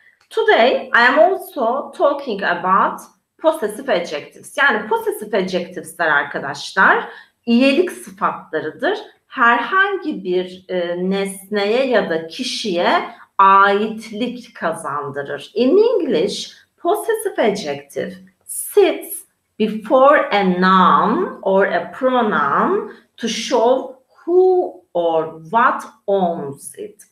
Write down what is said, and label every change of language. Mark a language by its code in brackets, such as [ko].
[en] Today I am also talking about possessive adjectives. [tr] Yani possessive adjectives'ler arkadaşlar iyilik sıfatlarıdır. Herhangi bir nesneye ya da kişiye aitlik kazandırır. [en] In English, possessive adjective sits before a noun or a pronoun to show who or what owns it.